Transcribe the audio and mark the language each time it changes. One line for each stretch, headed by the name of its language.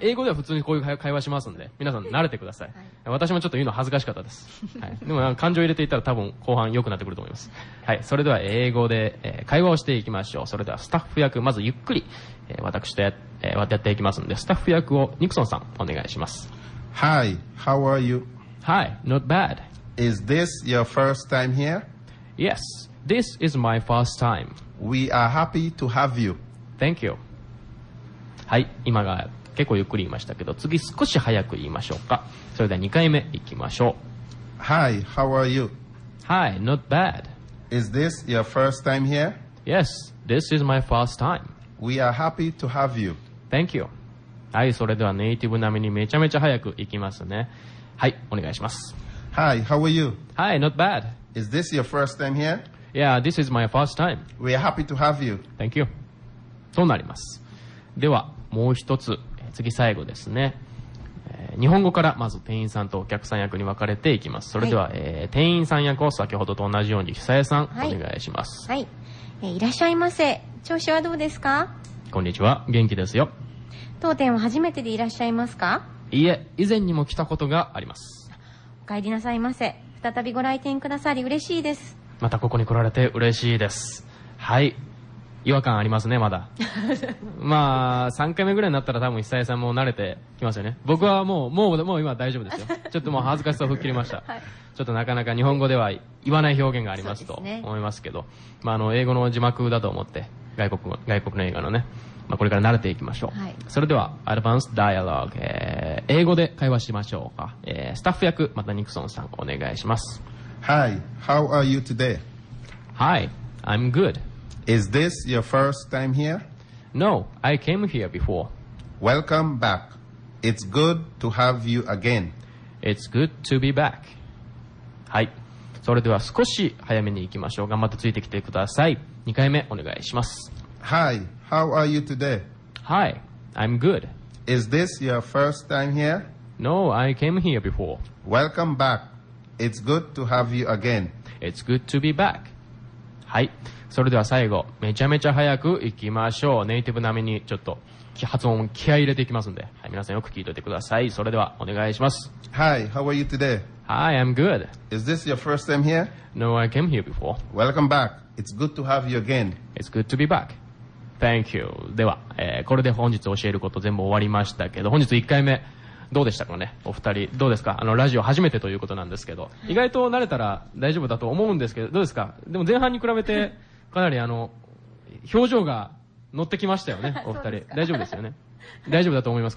Japanese: 英語では普通にこういう会話しますんで、皆さん慣れてください。私もちょっと言うの恥ずかしかったです、はい、でも感情入れていったら多分後半良くなってくると思います。はい、それでは英語で会話をしていきましょう。それではスタッフ役、まずゆっくり私とやっていきますんで、スタッフ役をニクソンさんお願いします。
English: Hi, how are you? Hi, not bad. Is this your first time here? Yes, this is my first time We are happy to have you. Thank you.
Japanese: はい、今が結構ゆっくり言いましたけど、次少し早く言いましょうか。それでは2回目行きましょう。
English: Hi, how are you? Hi, not bad. Is this your first time here? Yes, this is my first time. We are happy to have you. Thank you.
Japanese: はい、それではネイティブ並みにめちゃめちゃ早く行きますね。はい、お願いします。
English: Hi, how are you? Hi, not bad. Is this your first time here? Yeah, this is my first time. We are happy to have you. Thank you.
Japanese: となります。では、もう一つ、次最後ですね。日本語からまず店員さんとお客さん役に分かれていきます。それでは、はい、店員さん役を先ほどと同じように久江さん、はい、お願いします。はい、いらっしゃいませ。調子はどうですか？こんにちは。元気ですよ。当店は初めてでいらっしゃいますか？いえ、以前にも来たことがあります。お帰りなさいませ。再びご来店くださり嬉しいです。またここに来られて嬉しいです。はい、違和感ありますね、まだまあ3回目ぐらいになったら多分久江さんも慣れてきますよね。僕はもう今大丈夫ですよ。ちょっともう恥ずかしさを吹っ切りました、はい、ちょっとなかなか日本語では言わない表現がありますと思いますけど、ね、まあ、あの英語の字幕だと思って外国の映画のね、まあ、これから慣れていきましょう、はい、それではアドバンスダイアログ、英語で会話しましょうか、スタッフ役またニクソンさんお願いします。
English: Hi, how are you today? Hi, I'm good Is this your first time here? No, I came here before. Welcome back. It's good to have you again. It's good to be back.
Japanese: はい、それでは少し早めに行きましょう。頑張ってついてきてください。 2回目お願いします。
English: Hi, how are you today? Hi, I'm good. Is this your first time here? No, I came here before. Welcome back. It's good to have you again. It's good to be back.
Japanese: はい、それでは最後めちゃめちゃ早く行きましょう。ネイティブ並みにちょっと発音気合い入れていきますんで、はい、皆さんよく聞いておいてください。それではお願いします。
English: Hi, how are you today? Hi, I'm good. Is this your first time here? No, I came here before. Welcome back. It's good to have you again. It's good to be back. Thank you.
Japanese: では、これで本日教えること全部終わりましたけど、本日1回目どうでしたかね、お二人どうですか。あのラジオ初めてということなんですけど、意外と慣れたら大丈夫だと思うんですけど、どうですか。でも前半に比べてかなりあの表情が乗ってきましたよね、お二人。大丈夫ですよね。大丈夫だと思います。